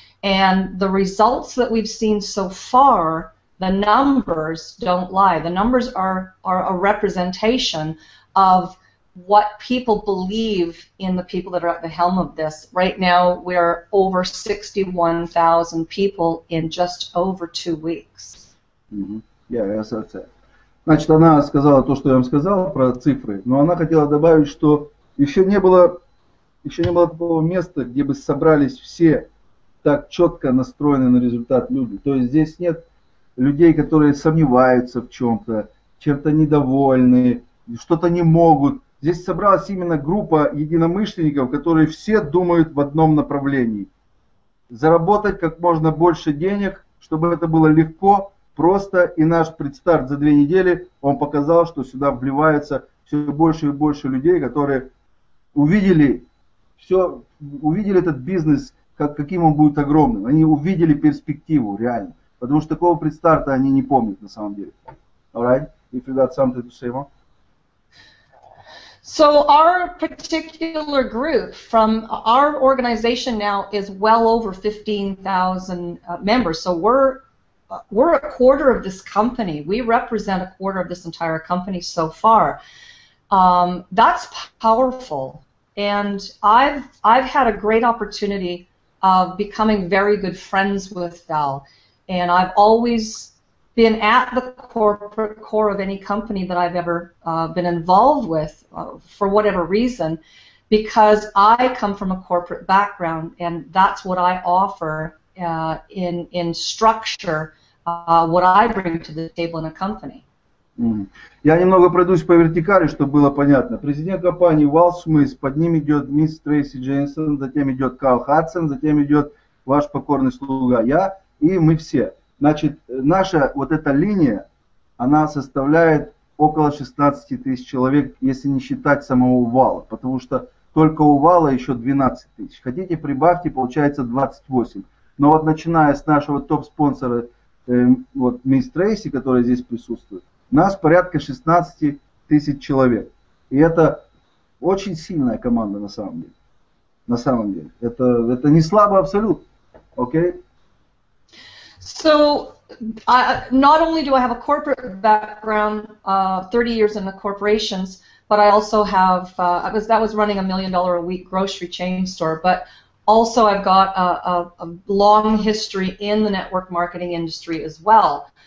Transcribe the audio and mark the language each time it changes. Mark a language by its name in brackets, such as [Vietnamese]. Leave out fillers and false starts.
[English] And the results that we've seen so far, the numbers don't lie. The numbers are a representation of what people believe in the people that are at the helm of this. Right now, we're over 61,000 people in just over 2 weeks. Mm-hmm. Yeah, yes, that's it. [Russian] Значит, она сказала то, что я вам сказал про цифры, но она хотела добавить, что еще не было такого места, где бы собрались все так четко настроены на результат люди. То есть здесь нет людей, которые сомневаются в чем-то, чем-то недовольны, что-то не могут. Здесь собралась именно группа единомышленников, которые все думают в одном направлении. Заработать как можно больше денег, чтобы это было легко, просто. И наш предстарт за 2 недели, он показал, что сюда вливается все больше и больше людей, которые увидели этот бизнес, каким он будет огромным. Они увидели перспективу реально. Потому что такого предстарта они не помнят на самом деле. [English] Alright? If you got something to say, So our particular group from our organization now is well over 15,000 members. So we're a quarter of this company. We represent a quarter of this entire company so far. That's powerful. And I've had a great opportunity of becoming very good friends with Val. And I've always been at the corporate core of any company that I've ever been involved with for whatever reason, because I come from a corporate background, and that's what I offer in structure, what I bring to the table in a company. Mm-hmm. [Russian] Я немного пройдусь по вертикали, чтобы было понятно. Президент компании Вал Смит, под ним идет мисс Трейси Дженсен, затем идет Карл Хадсон, затем идет ваш покорный слуга, я и мы все. Значит, наша вот эта линия, она составляет около 16 тысяч человек, если не считать самого Вала, потому что только у Вала еще 12 тысяч. Хотите, прибавьте, получается 28. Но вот начиная с нашего топ-спонсора, вот мисс Трейси, которая здесь присутствует, нас порядка 16 тысяч человек. И это очень сильная команда на самом деле. На самом деле. Это не слабо абсолютно. Окей? Okay? [English] So, not only do I have a corporate background, 30 years in the corporations, but I also have, I was running $1 million a week grocery chain store, but also I've got a long history in the network marketing industry as well.